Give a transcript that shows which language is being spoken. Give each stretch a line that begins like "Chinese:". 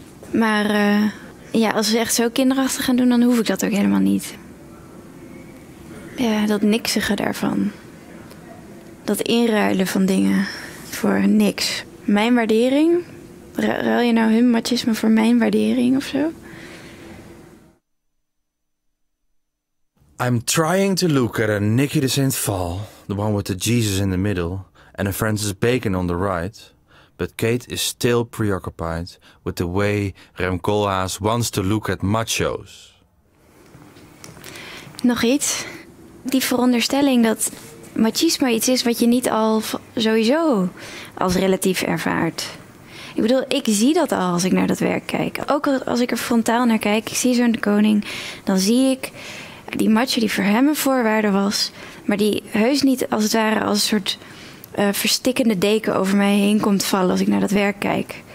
Dutch: Maar ja, als we echt zo kinderachtig gaan doen, dan hoef ik dat ook helemaal niet. Ja, dat niksige daarvan. Dat inruilen van dingen voor niks. Mijn waardering? Ruil je nou hun machisme voor mijn waardering of zo?
English: I'm trying to look at a Nicky de Saint Val, the one with the Jesus in the middle, and a Francis Bacon on the right. But Kate is still preoccupied with the way Rem Koolhaas wants to look at machos.
Dutch: Nog iets. Die veronderstelling dat machismo iets is wat je niet al sowieso als relatief ervaart. Ik bedoel, ik zie dat al als ik naar dat werk kijk. Ook als ik er frontaal naar kijk, ik zie zo'n koning, dan zie ik die macho die voor hem een voorwaarde was, maar die heus niet als het ware als een soort verstikkende deken over mij heen komt vallen als ik naar dat werk kijk.